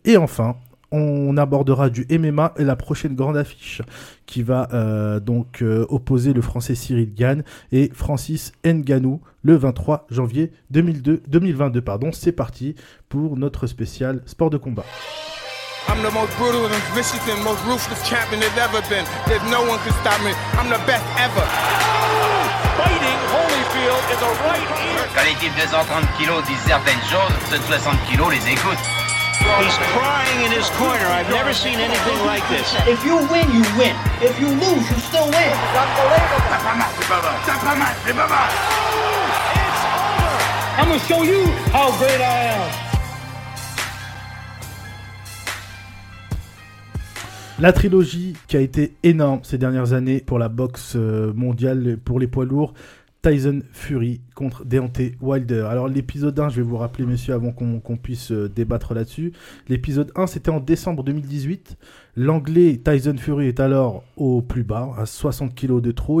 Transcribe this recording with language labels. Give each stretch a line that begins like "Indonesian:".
French: Et enfin, on abordera du MMA et la prochaine grande affiche qui va opposer le français Cyril Gann et Francis Ngannou le 23 janvier 2022. Pardon. C'est parti pour notre spécial sport de combat.
English: I'm the most brutal and vicious and most ruthless champion there's ever been. There's no one can stop me. I'm the best ever. Fighting Holyfield is a right here.
French: Quand l'équipe des 130 kilos dit certaines choses, ceux de 60 kilos les écoutent.
English: He's crying in his corner. I've never seen anything like this. If you win, you win. If you lose, you still win. It's unbelievable.
French: T'as pas mal, c'est pas mal. T'as pas mal, c'est pas mal.
English: It's over. I'm gonna show you how great I am.
French: La trilogie qui a été énorme ces dernières années pour la boxe mondiale, pour les poids lourds, Tyson Fury contre Deontay Wilder. Alors l'épisode 1, je vais vous rappeler messieurs avant qu'on puisse débattre là-dessus. L'épisode 1, c'était en décembre 2018. L'anglais Tyson Fury est alors au plus bas, à 60 kilos de trop.